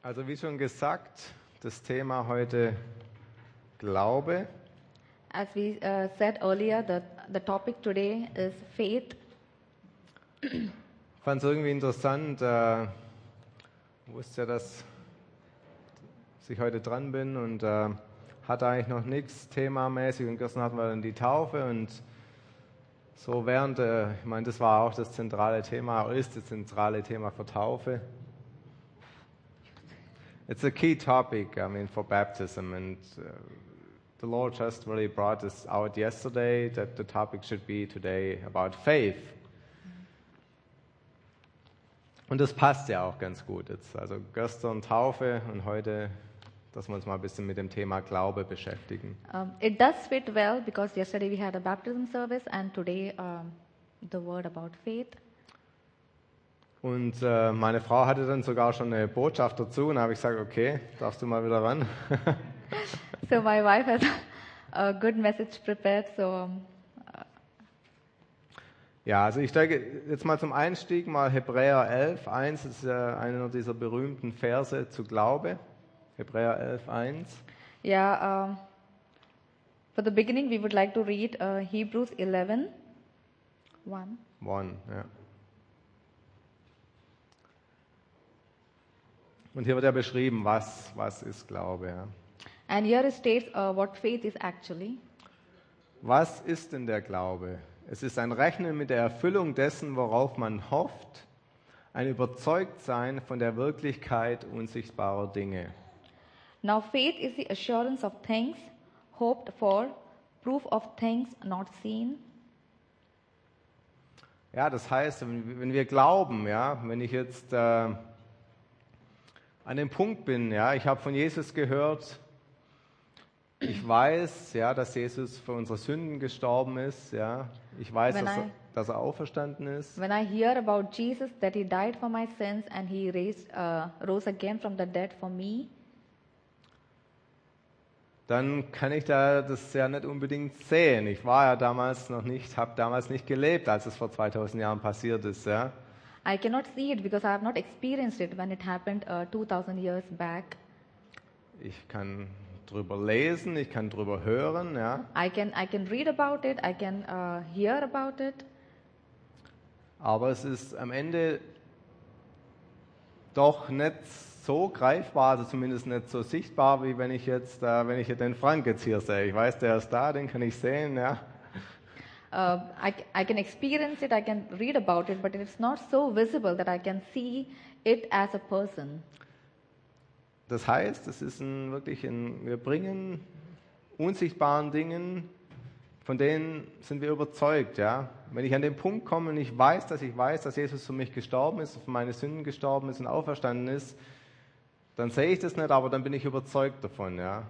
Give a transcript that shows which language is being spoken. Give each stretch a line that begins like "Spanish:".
German: Also wie schon gesagt, das Thema heute Glaube.
English: As we said earlier, the topic today is faith.
German: Ich fand es irgendwie interessant, wusste ja, dass ich heute dran bin und hatte eigentlich noch nichts themamäßig und gestern hatten wir dann die Taufe und so während, ich meine, das war auch das zentrale Thema, ist das zentrale Thema für Taufe.
English: It's a key topic, I mean, for baptism, and the Lord just really brought this out yesterday, that the topic should be today about faith.
German: Und das passt ja auch ganz gut jetzt. Also gestern Taufe und heute, dass wir uns mal ein bisschen mit dem Thema Glaube beschäftigen.
English: It does fit well, because yesterday we had a baptism service and today the word about faith.
German: Und meine Frau hatte dann sogar schon eine Botschaft dazu und habe ich gesagt, okay, darfst du mal wieder ran.
English: So my wife has a good message prepared. So.
German: Ja, also ich denke, jetzt mal zum Einstieg, mal Hebräer 11, 1, das ist ja einer dieser berühmten Verse zu Glaube. Hebräer 11, 1.
English: Ja, for the beginning we would like to read Hebrews 11, 1. 1, ja.
German: Und hier wird ja beschrieben, was ist Glaube. Ja.
English: And here it states what faith is actually.
German: Was ist denn der Glaube? Es ist ein Rechnen mit der Erfüllung dessen, worauf man hofft, ein Überzeugtsein von der Wirklichkeit unsichtbarer Dinge.
English: Now faith is the assurance of things hoped for, proof of things not seen.
German: Ja, das heißt, wenn wir glauben, ja, wenn ich jetzt an dem Punkt bin, ja, ich habe von Jesus gehört, ich weiß, ja, dass Jesus für unsere Sünden gestorben ist, ja. Ich weiß, dass er auferstanden ist.
English: When I hear about Jesus, that he died for my sins and he rose again from the dead for me,
German: dann kann ich da das ja nicht unbedingt sehen. Ich war ja damals noch nicht, habe damals nicht gelebt, als es vor 2000 Jahren passiert ist, ja.
English: I cannot see it because I have not experienced it when it happened 2000 years back.
German: Ich kann drüber lesen, ich kann drüber hören, ja.
English: I can read about it, I can hear about it.
German: Aber es ist am Ende doch nicht so greifbar, also zumindest nicht so sichtbar, wie wenn ich jetzt, wenn ich den Frank jetzt hier sehe. Ich weiß, der ist da, den kann ich sehen, ja.
English: I can experience it, I can read about it, but it's not so visible that I can see it as a person.
German: Das heißt, es ist wir bringen unsichtbaren Dingen, von denen sind wir überzeugt, ja. Wenn ich an den Punkt komme und ich weiß, dass Jesus für mich gestorben ist, für meine Sünden gestorben ist und auferstanden ist, dann sehe ich das nicht, aber dann bin ich überzeugt davon, ja.